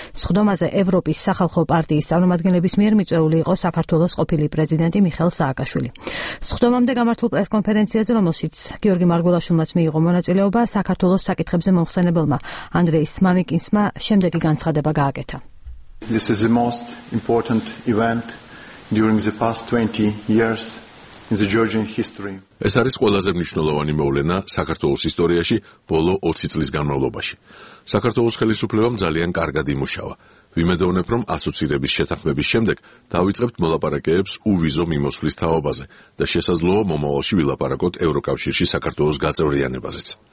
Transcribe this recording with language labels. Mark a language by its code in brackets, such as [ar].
[ka] სხდომაზე ევროპის სახალხო პარტიის წარმომადგენლების მიერ მიწვეული იყო საქართველოს ყოფილი პრეზიდენტი მიხეილ სააკაშვილი. სხდომამდე გამართულ პრესკონფერენციაზე, რომელშიც გიორგი მარგველაშვილმაც მიიღო მონაწილეობა, საქართველოს საკითხებზე მომხსენებელმა ანდრეი სმავიკინსმა შემდეგი განცხადება გააკეთა. [en] This is the most important event during the past 20 years in the Georgian history. [ka] ეს არის ყველაზე მნიშვნელოვანი მოვლენა საქართველოს ისტორიაში ბოლო 20 წლის განმავლობაში. საქართველოს ხელისუფლებამ ძალიან კარგად იმუშავა. ვიმედოვნებ, რომ ასოცირების შეთანხმების შემდეგ დავიწყებთ მოლაპარაკებებს უვიზო მიმოსვლის თაობაზე და შესაძლოა მომავალში ვილაპარაკოთ ევროკავშირში საქართველოს გაწევრიანებაზეც.